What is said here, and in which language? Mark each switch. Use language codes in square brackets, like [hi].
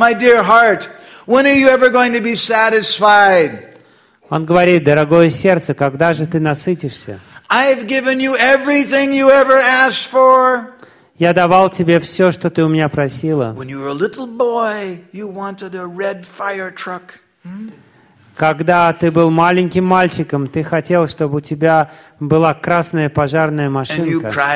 [en] My dear heart, when are you ever going to be satisfied? [ru] Он говорит, дорогое сердце, когда же ты насытишься? [en] I've given you everything you ever asked for. [ru] Я давал тебе все, что ты у меня просила. [en] When you were a little boy, you wanted a red fire truck. [ru] Когда ты был маленьким мальчиком, ты хотел, чтобы у тебя была красная пожарная машинка.